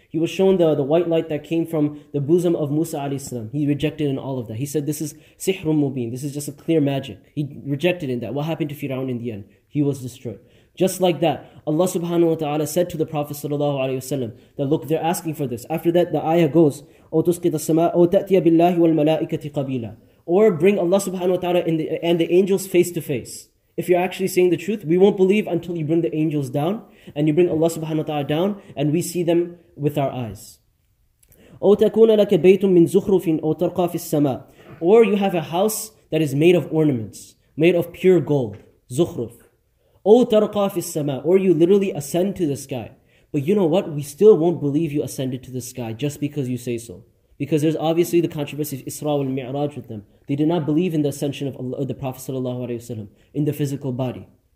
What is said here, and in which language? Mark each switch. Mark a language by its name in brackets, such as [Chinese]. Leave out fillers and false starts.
[English] He was shown the white light that came from the bosom of Musa alayhi salam. He rejected in all of that. He said, this is sihrun mubin. This is just a clear magic. He rejected in that. What happened to Fir'aun in the end? He was destroyed. Just like that, Allah subhanahu wa ta'ala said to the Prophet sallallahu alayhi wa sallam, that look, they're asking for this. After that, the ayah goes, [Arabic] أو تسقط السماء أو تأتي بالله والملائكة قبيلا. [English] Or bring Allah subhanahu wa ta'ala and the angels face to face. If you're actually saying the truth, we won't believe until you bring the angels down, and you bring Allah subhanahu wa ta'ala down, and we see them with our eyes. [Arabic] أو تكون لك بيت من زخرف أو ترقى في السماء. [English] Or you have a house that is made of ornaments, made of pure gold, زخرف. [Arabic] أو ترقى في السماء, [English] or you literally ascend to the sky. But you know what? We still won't believe you ascended to the sky just because you say so. Because there's obviously the controversy of Isra and Mi'raj with them. They did not believe in the ascension of Allah, the Prophet sallallahu alaihi wasallam, in the physical body.